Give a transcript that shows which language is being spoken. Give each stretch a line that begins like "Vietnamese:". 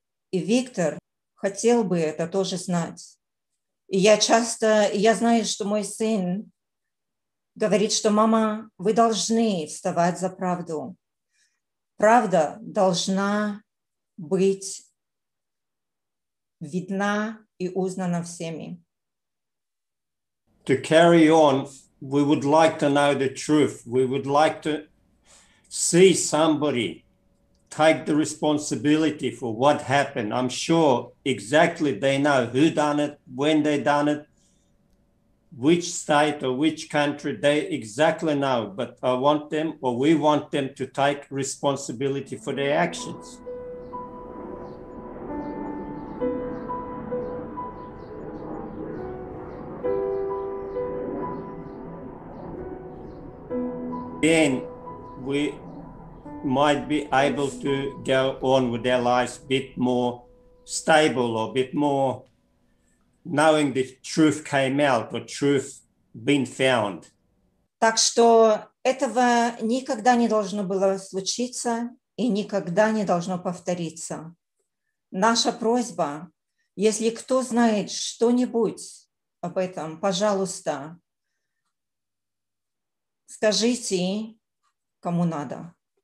Russian: И Виктор хотел бы это тоже знать. И я знаю, что мой сын говорит, что мама, вы должны вставать за правду. Правда должна быть видна и узнана всеми.
English: To carry on, we would like to know the truth. We would like to see somebody take the responsibility for what happened. I'm sure exactly they know who done it, when they done it, which state or which country, they exactly know. But I want them, or we want them, to take responsibility for their actions. Then we might be able to go on with our lives a bit more stable or a bit more knowing the truth came out or truth been found.
Russian: Так что этого никогда не должно было случиться и никогда не должно повториться. Наша просьба, если кто знает что-нибудь об этом, пожалуйста, скажите, кому надо.